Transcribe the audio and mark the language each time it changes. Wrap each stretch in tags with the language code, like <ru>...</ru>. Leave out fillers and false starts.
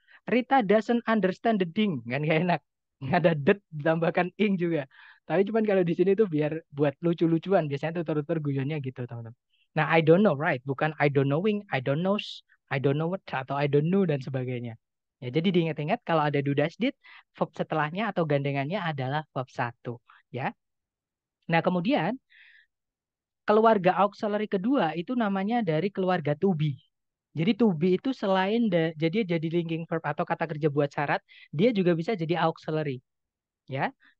<en>Rita doesn't understand the thing,</en> <id>kan gak enak. Nggak ada det ditambahkan ing juga. Tapi cuman kalau di sini tuh biar buat lucu-lucuan. Biasanya tuh tutur-tutur guyonnya gitu, teman-teman. Nah,</id> <en>I don't know, right?</en> <id>Bukan</id> <en>I don't knowing, I don't knows, I don't know what,</en> <id>atau</id> <en>I don't know,</en> <id>dan sebagainya. Ya, jadi diingat-ingat kalau ada do, does, did, verb setelahnya atau gandengannya adalah verb satu, ya. Nah, kemudian keluarga auxiliary kedua itu namanya dari keluarga to be. Jadi to be itu selain jadi linking verb atau kata kerja buat syarat, dia juga bisa jadi auxiliary. Ya.</id>